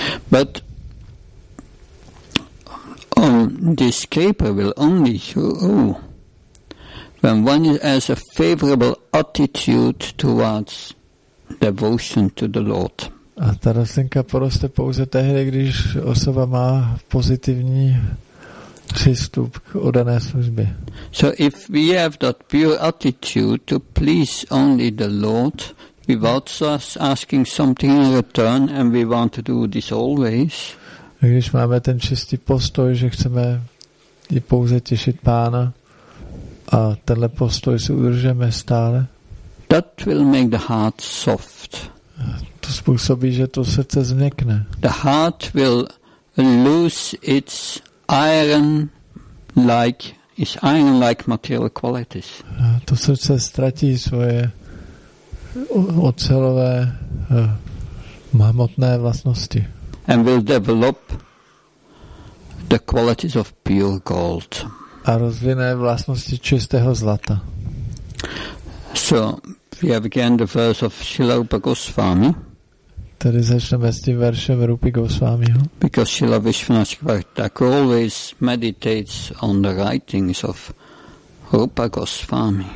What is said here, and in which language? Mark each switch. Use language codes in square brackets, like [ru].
[en] But this creeper will only grow when one has a favorable attitude towards devotion to the Lord. [cs] A ta rostlinka poroste pouze tehdy, když osoba má pozitivní přístup k oddané službě. [en] So if we have that pure attitude to please only the Lord without us asking something in return and we want to do this always. [cs] Když máme ten čistý postoj, že chceme i pouze těšit Pána a tenhle postoj si udržeme stále. [en] That will make the heart soft. [cs] To způsobí, že to srdce změkne. [en] The heart will lose its iron-like, its iron-like material qualities. [cs] To srdce ztratí svoje ocelové mamotné vlastnosti. [en] And will develop the qualities of pure gold. [cs] A rozvine vlastnosti čistého zlata. [en] So we have again the verse of Srila Rupa Goswami. [cs] Tady začneme s tím veršem Rupy Goswamiho. [en] Because Srila Vishvanatha always meditates on the writings of Rupa Goswami.